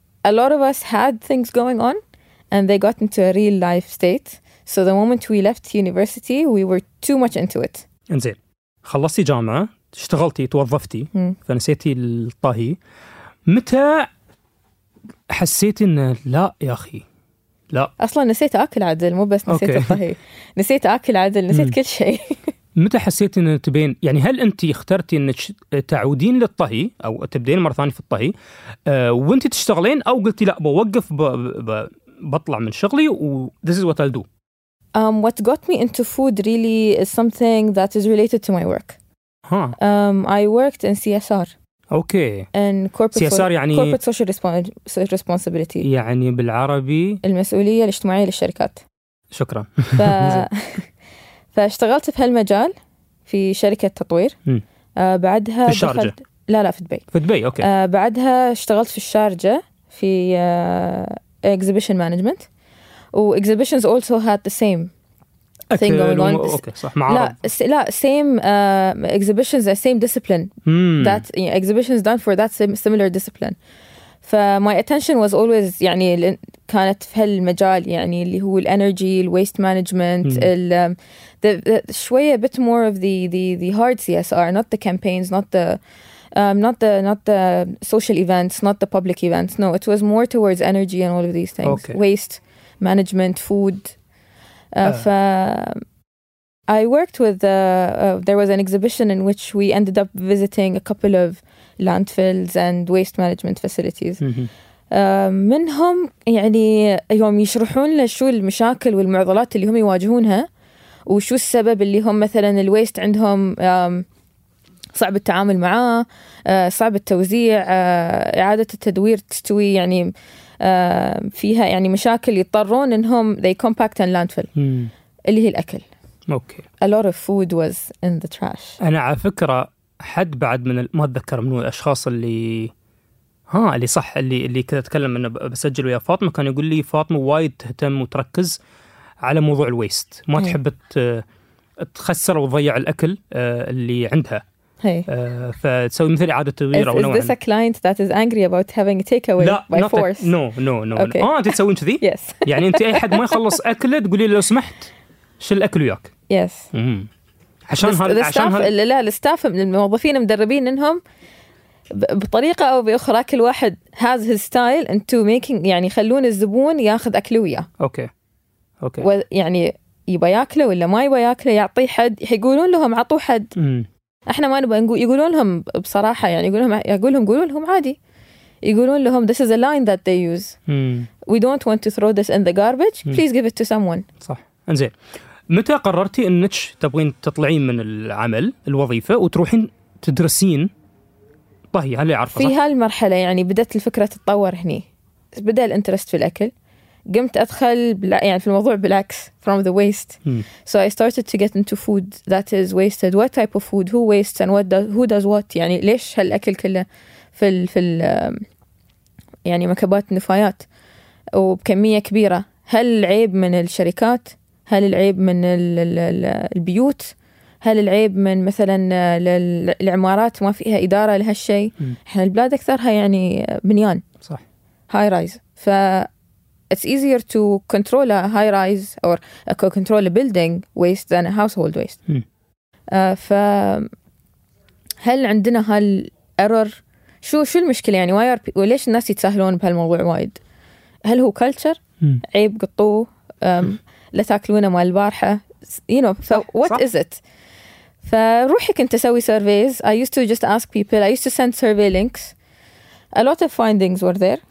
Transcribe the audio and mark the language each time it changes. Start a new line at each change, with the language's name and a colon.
English: A lot of us had things going on and they got into a real life state. So the moment we left university, we were too much into it.
Arabic: انزين. خلصتي جامعة, اشتغلتي, توظفتي, فنسيتي الطهي. متى حسيتي ان لا يا اخي لا. اصلا نسيت اكل عدل, مو بس نسيت الطهي. نسيت اكل عدل, نسيت كل شيء. متى حسيت ان تبين يعني هل انت اخترتي انك تعودين للطهي او تبدين مره ثانيه في الطهي وانت تشتغلين او قلتي لا بوقف بطلع من شغلي و
English: this is what I'll do. What got me into food really is something that is related to my work. I worked in CSR.
Arabic: اوكي.
English: In corporate
Arabic: CSR يعني
English: corporate social responsibility.
Arabic: يعني بالعربي المسؤوليه الاجتماعيه للشركات. شكرا. فاشتغلت في هالمجال في شركة تطوير. بعدها في الشارجة. دخلت لا في دبي. في دبي اوكي. بعدها اشتغلت في الشارجة في exhibition management.
English: Exhibitions also had the same thing going on.
Arabic: اوكي صح معرض. لا
English: same exhibitions the same discipline. That exhibitions done for that same similar discipline. ف my attention was always
Arabic: يعني كانت في هالمجال يعني اللي هو الانرجي الويست مانجمنت ال شويه
English: bit more of the hard CSR not the campaigns not the not the social events not the public events no it was more towards energy and all of these things okay. waste management food ف I worked with there was an exhibition in which we ended up visiting a couple of landfills and waste management facilities.
Arabic: منهم يعني يوم يشرحون لنا شو المشاكل والمعضلات اللي هم يواجهونها وشو السبب اللي هم مثلا الويست عندهم صعب التعامل معاه صعب التوزيع إعادة التدوير تستوي يعني فيها يعني مشاكل يضطرون انهم
English: they compact and landfill
Arabic: اللي هي الأكل.
English: Okay. A lot of food was in the trash.
Arabic: أنا على فكرة حد بعد من ما أتذكر منو الأشخاص اللي اللي صح اللي كذا أتكلم إنه بسجل ويا فاطمة، كان يقول لي فاطمة وايد تهتم وتركز على موضوع الويست، ما تحب تخسر وتضيع الأكل اللي عندها. فتسوي مثل إعادة تدوير.
English: Is this a client that is angry about having a takeaway by force? No, no, no. Okay.
Arabic: أنت تسوين كذي؟
English: Yes.
Arabic: يعني أنت أي حد ما يخلص أكله تقولي لو سمحت شل أكل وياك.
English: Yes.
Arabic: عشان هذا. عشان هذا. لا الستاف من الموظفين مدربين إنهم بطريقة أو بأخرى كل واحد
English: has his style into making،
Arabic: يعني خلون الزبون يأخذ أكله وياه.
English: Okay. Okay.
Arabic: ويعني يبغى يأكله ولا ما يبغى يأكله يعطي حد، يقولون لهم عطوا حد. احنا ما نبغى نقول، يقولون لهم بصراحه يعني يقولون لهم عادي، يقولون لهم
English: this is a line that they use. We don't want to throw this in the garbage. Please give it to someone.
Arabic: صح. انزين، متى قررتي انك تبغين تطلعين من العمل الوظيفه وتروحين تدرسين؟ طهي هل عارفه في هالمرحله يعني بدت الفكره تتطور هني، بدا الانترست في الاكل، قمت ادخل يعني في الموضوع بالعكس
English: from the waste. So I started to get into food that is wasted. What type of food? Who wastes and what does, who does what?
Arabic: يعني ليش هالأكل كله في ال يعني مكبات النفايات وبكمية كبيرة؟ هل العيب من الشركات؟ هل العيب من البيوت؟ هل العيب من مثلا العمارات ما فيها إدارة لهالشيء؟ احنا البلاد أكثرها يعني بنيان صح
English: High rise, ف it's easier to control a high rise or control a building waste than a household waste.
Arabic: ف هل عندنا هال error؟ شو المشكله يعني
English: why are
Arabic: وليش الناس يتساهلون بهالموضوع وايد؟ هل هو culture؟ عيب قطوه لا تاكلونه مال البارحه،
English: you know. So what is it؟
Arabic: فروحك انت سوي
English: surveys. I used to just ask people. I used to send survey links. A lot of findings were there.